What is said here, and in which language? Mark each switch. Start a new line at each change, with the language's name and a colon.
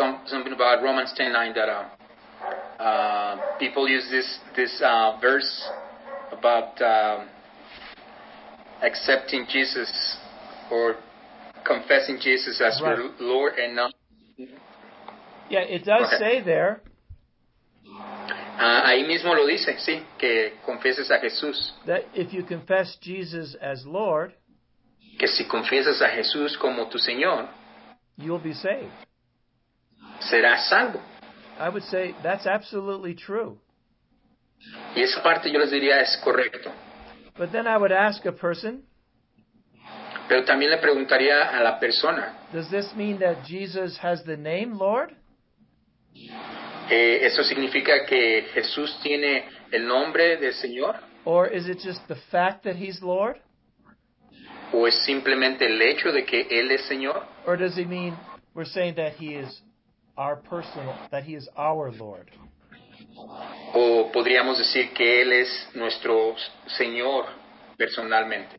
English: Something about Romans 10:9 that people use this verse about accepting Jesus or confessing Jesus as your Lord and not. Yeah, it does say there.
Spanish: Ahí mismo lo dice, sí, que confieses a Jesús.
English: That if you confess Jesus as Lord,
Spanish: que si confieses a Jesús como tu Señor,
English: you'll be saved.
Spanish: Serás salvo.
English: I would say that's absolutely true.
Spanish: Y esa parte yo les diría es correcto.
English: But then I would ask a person,
Spanish: pero también le preguntaría a la persona,
English: does this mean that Jesus has the name Lord?
Spanish: ¿Eso significa que Jesús tiene el nombre del Señor?
English: Or is it just the fact that he's Lord?
Spanish: ¿O es simplemente el hecho de que él es Señor?
English: Or does he mean we're saying that he is our personal, that he is our Lord?
Spanish: O podríamos decir que él es nuestro Señor personalmente.